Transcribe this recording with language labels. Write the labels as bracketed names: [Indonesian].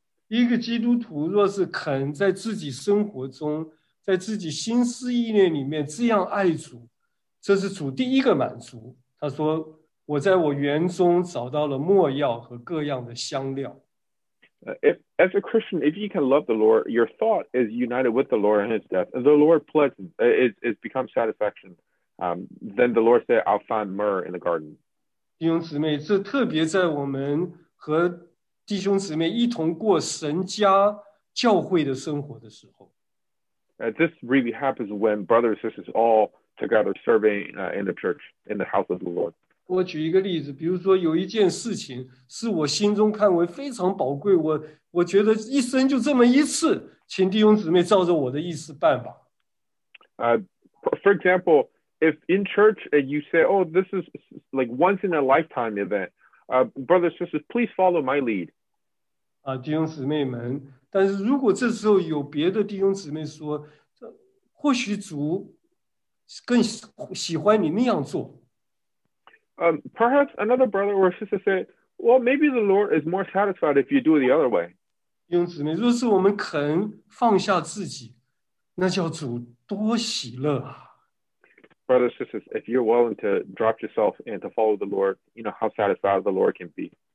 [Chinese] 一个基督徒若是肯在自己生活中，在自己心思意念里面这样爱主，这是主第一个满足。他说，我在我园中找到了没药和各样的香料。 [English] As a Christian, if you can love the Lord, your thought is united with the Lord and his death, and the Lord pleasant is become satisfaction. Then the Lord said, I'll find myrrh in the garden. [Chinese] 弟兄姊妹，这特别在我们和弟兄姊妹一同过神家教会的生活的时候。 [English] This really happens when brothers and sisters all together serving in the church, in the house of the Lord. [Chinese] 我举一个例子，比如说有一件事情是我心中看为非常宝贵，我觉得一生就这么一次，请弟兄姊妹照着我的意思办吧。 [English] For example, if in church you say, oh, this is like once in a lifetime event, brothers and sisters, please follow my lead. [Chinese] 弟兄姊妹们，但是如果这时候有别的弟兄姊妹说，或许主更喜欢你那样做。 [English] Perhaps another brother or sister say, well, maybe the Lord is more satisfied if you do it the other way. [Chinese] 弟兄姊妹，若是我们肯放下自己，那叫主多喜乐啊！ [English] Brothers and sisters, if you're willing to drop yourself and to follow the Lord, you know how satisfied the Lord can be.